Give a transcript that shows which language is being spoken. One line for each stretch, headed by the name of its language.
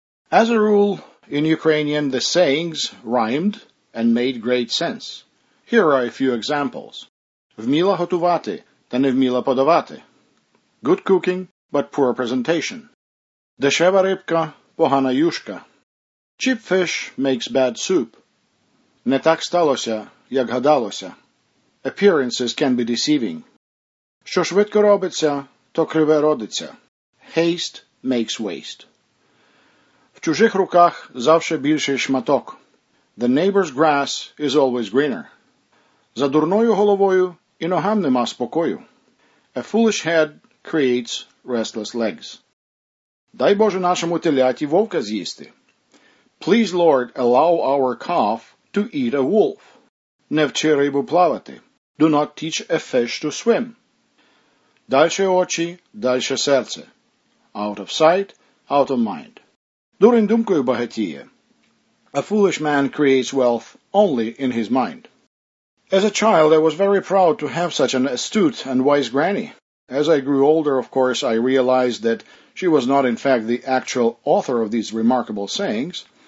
English: As a rule, in Ukrainian, the sayings rhymed and made great sense. Here are a few examples.
Ukrainian: Vmila hotuvate, ta ne vmila podavate.
English: Good cooking, but poor presentation.
Ukrainian: Deševa rybka, погана юшка.
English: Cheap fish makes bad soup.
Ukrainian: Не так сталося, як гадалося.
English: Appearances can be deceiving.
Ukrainian: Що швидко робиться, то криве родиться.
English: Haste makes waste.
Ukrainian: В чужих руках завжди більший шматок.
English: The neighbor's grass is always greener.
Ukrainian: За дурною головою і ногам нема спокою.
English: A foolish head creates restless legs.
Ukrainian: Дай Боже нашому теляті вовка з'їсти.
English: Please, Lord, allow our calf to eat a wolf.
Ukrainian: Не вчи рибу плавати.
English: Do not teach a fish to swim.
Ukrainian: Дальше очі, дальше серце.
English: Out of sight, out of mind.
Ukrainian: Дурень думкою багатіє.
English: A foolish man creates wealth only in his mind. As a child, I was very proud to have such an astute and wise granny. As I grew older, of course, I realized that she was not, in fact, the actual author of these remarkable sayings.